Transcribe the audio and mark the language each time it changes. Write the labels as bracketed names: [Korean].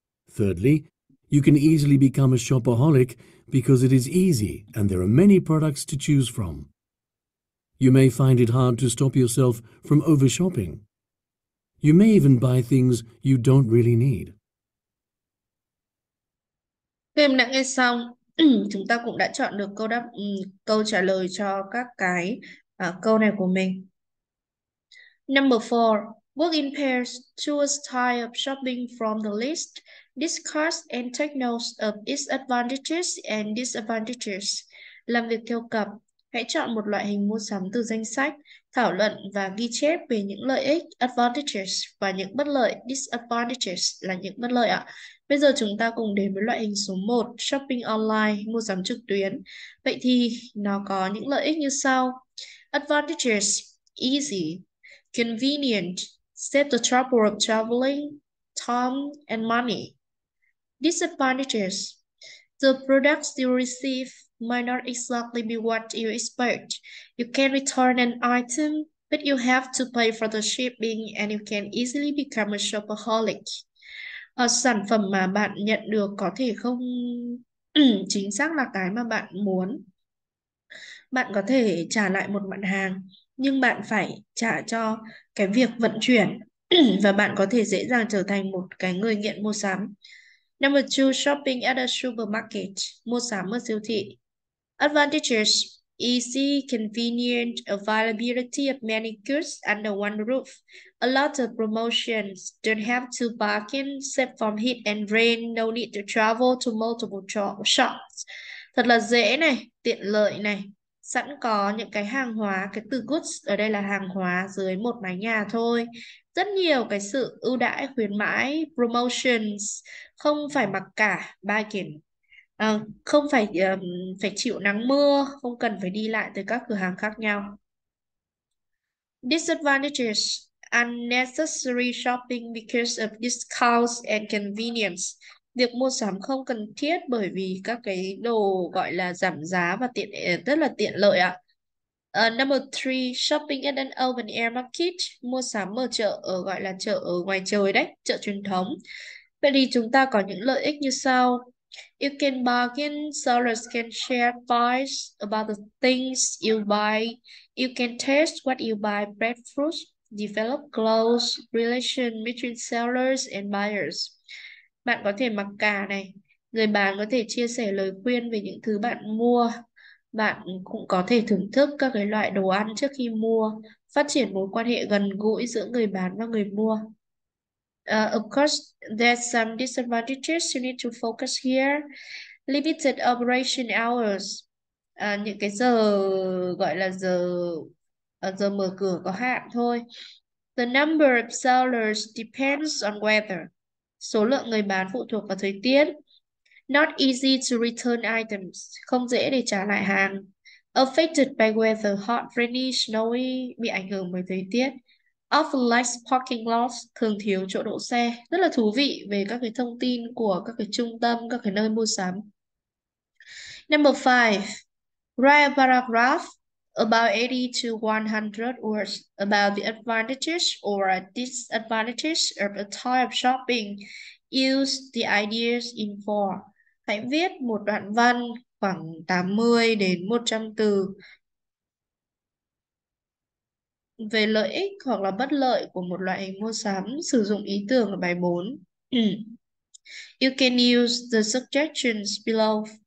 [English] Thirdly, you can easily become a shopaholic because it is easy and there are many products to choose from. You may find it hard to stop yourself from overshopping. You may even buy things you don't really need. [Vietnamese] Khi em đã nghe xong, chúng ta cũng đã chọn được câu đáp câu trả lời cho các cái câu này của mình. [English] Number 4. Work in pairs. Choose type of shopping from the list. Discuss and take notes of its advantages and disadvantages. [Vietnamese] Làm việc theo cặp. Hãy chọn một loại hình mua sắm từ danh sách, thảo luận và ghi chép về những lợi ích, advantages và những bất lợi, disadvantages là những bất lợi ạ. Bây giờ chúng ta cùng đến với loại hình số 1, shopping online, mua sắm trực tuyến. Vậy thì nó có những lợi ích như sau. [English] Advantages, easy, convenient, save the trouble of traveling, time and money. Disadvantages, the products you receive might not exactly be what you expect. You can return an item, but you have to pay for the shipping and you can easily become a shopaholic. [Vietnamese] Sản phẩm mà bạn nhận được có thể không chính xác là cái mà bạn muốn. Bạn có thể trả lại một mặt hàng, nhưng bạn phải trả cho cái việc vận chuyển và bạn có thể dễ dàng trở thành một cái người nghiện mua sắm. [English] Number 2, shopping at a supermarket, [Vietnamese] mua sắm ở siêu thị. [English] Advantages, easy, convenient, availability of many goods under one roof. A lot of promotions, don't have to bargain, save from heat and rain, no need to travel to multiple shops. [Vietnamese] Thật là dễ này, tiện lợi này. Sẵn có những cái hàng hóa, cái từ goods ở đây là hàng hóa dưới một mái nhà thôi. Rất nhiều cái sự ưu đãi, khuyến mãi, promotions, không phải mặc cả, bargain. Không phải phải chịu nắng mưa, không cần phải đi lại tới các cửa hàng khác nhau. [English] Disadvantages, unnecessary shopping because of discounts and convenience. [Vietnamese] Việc mua sắm không cần thiết bởi vì các cái đồ gọi là giảm giá và tiện rất là tiện lợi ạ. [English] Number 3, shopping at an open air market, [Vietnamese] mua sắm ở chợ ở gọi là chợ ở ngoài trời đấy, chợ truyền thống. Vậy thì chúng ta có những lợi ích như sau. [English] You can bargain, sellers can share advice about the things you buy. You can test what you buy, breadfruit, develop close relation between sellers and buyers. [Vietnamese] Bạn có thể mặc cả này, người bán có thể chia sẻ lời khuyên về những thứ bạn mua. Bạn cũng có thể thưởng thức các cái loại đồ ăn trước khi mua, phát triển mối quan hệ gần gũi giữa người bán và người mua. [English] Of course, there's some disadvantages you need to focus here. Limited operation hours. [Vietnamese] Những cái giờ gọi là giờ mở cửa có hạn thôi. [English] The number of sellers depends on weather. [Vietnamese] Số lượng người bán phụ thuộc vào thời tiết. [English] Not easy to return items. [Vietnamese] Không dễ để trả lại hàng. [English] Affected by weather, hot, rainy, snowy, [Vietnamese] bị ảnh hưởng bởi thời tiết. [English] Often lacks parking lots, [Vietnamese] thường thiếu chỗ đỗ xe. Rất là thú vị về các cái thông tin của các cái trung tâm, các cái nơi mua sắm. [English] Number 5, write a paragraph About 80 to 100 words about the advantages or disadvantages of a type of shopping. Use the ideas in four. [Vietnamese] Hãy viết một đoạn văn khoảng 80 đến 100 từ về lợi ích hoặc là bất lợi của một loại mua sắm. Sử dụng ý tưởng ở bài 4. [English] You can use the suggestions below.